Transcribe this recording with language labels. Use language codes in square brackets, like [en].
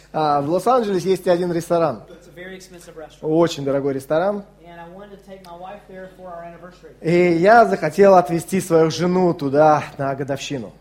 [ru] В Лос-Анджелесе есть один ресторан. [en] It's a very expensive restaurant. [ru] Очень дорогой ресторан. [en] And I wanted to take my wife there for our anniversary. [ru] И я захотел отвезти свою жену туда на годовщину.